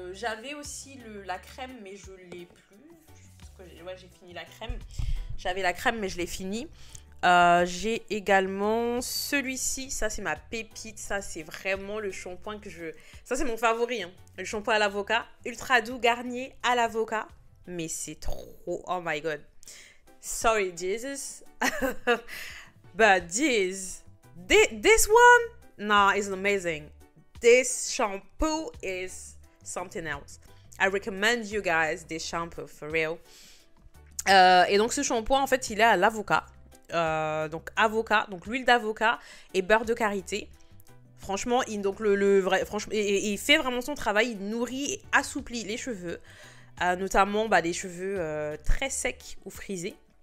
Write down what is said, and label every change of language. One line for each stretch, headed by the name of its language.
French: J'avais aussi la crème, mais je l'ai plus, parce que j'ai fini la crème, j'avais la crème mais je l'ai fini. J'ai également celui-ci, ça c'est ma pépite, ça c'est vraiment le shampoing que je... Ça c'est mon favori, hein. Le shampoing à l'avocat, ultra doux Garnier à l'avocat, mais c'est trop...
English: Oh my god, sorry Jesus, but this one, nah, it's amazing. This shampoo is something else. I recommend you guys this shampoo for real.
French: Et donc ce shampoing, en fait, il est à l'avocat. Donc l'huile d'avocat et beurre de karité. Franchement, il fait vraiment son travail. Il nourrit et assouplit les cheveux, notamment les cheveux très secs ou frisés.